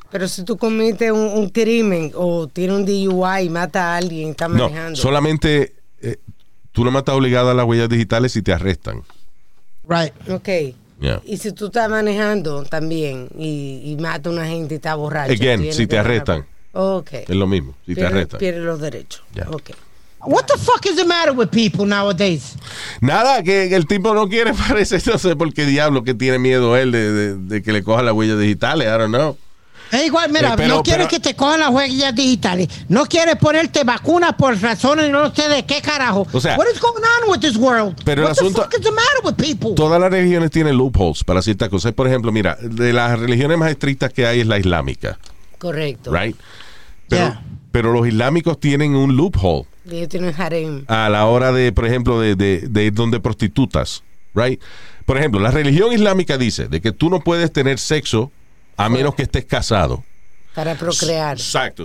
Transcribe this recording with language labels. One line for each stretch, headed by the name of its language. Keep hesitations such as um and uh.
Spanish: Pero si tú cometes un, crimen o tienes un DUI, mata a alguien, está manejando. No, solamente eh, tú no matas obligada a las huellas digitales si te arrestan.
English: Right. okay.
Spanish: Y si tú estás manejando también y, mata a una gente y está borracho. Again, si te arrestan. okay, Es lo mismo, si te arrestan. los derechos.
English: What the fuck is the matter with people nowadays?
Spanish: Nada, que el tipo no quiere parecer, no sé por qué diablo que tiene miedo él de, de, de, que le coja las huellas digitales,
English: I don't know.
Spanish: Es igual, mira, el no pero, quiere que te cojan las huellas digitales, no quiere ponerte vacunas por razones no sé de qué carajo.
English: O sea, what is going on with this world? Pero what el asunto, the fuck is the matter with people?
Spanish: Todas las religiones tienen loopholes para ciertas cosas. Por ejemplo, mira, de las religiones más estrictas que hay es la islámica. Correcto. Right? Pero, yeah. pero los islámicos tienen un loophole. A la hora de, por ejemplo, de, de, de, ir donde prostitutas. Right? Por ejemplo, la religión islámica dice de que tú no puedes tener sexo a menos que estés casado. Para procrear. Exacto.